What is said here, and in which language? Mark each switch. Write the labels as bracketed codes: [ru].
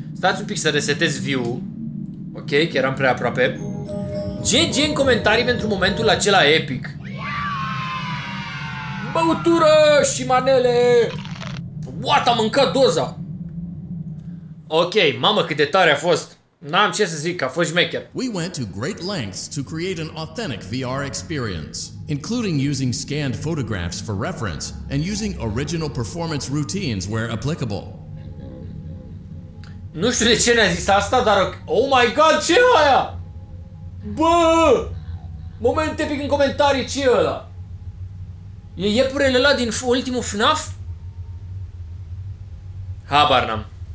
[ro] Stați un pic să resetez view-ul. Ok, că eram prea aproape. GG în comentarii pentru momentul acela epic. Băutură și manele. What, am mâncat doza. Ok, mamă cât de tare a fost. N-am ce să zic, a fost șmecher. [en] We went to great lengths to create an authentic VR experience, including using scanned photographs for reference and using original performance routines where applicable. [ro] Nu știu de ce ne-a zis asta, dar [en] oh my god, [ro] ce aia? Bă! Moment epic în comentarii, ce e ăla? E iepurele ăla din ultimul FNAF? Habar n-am.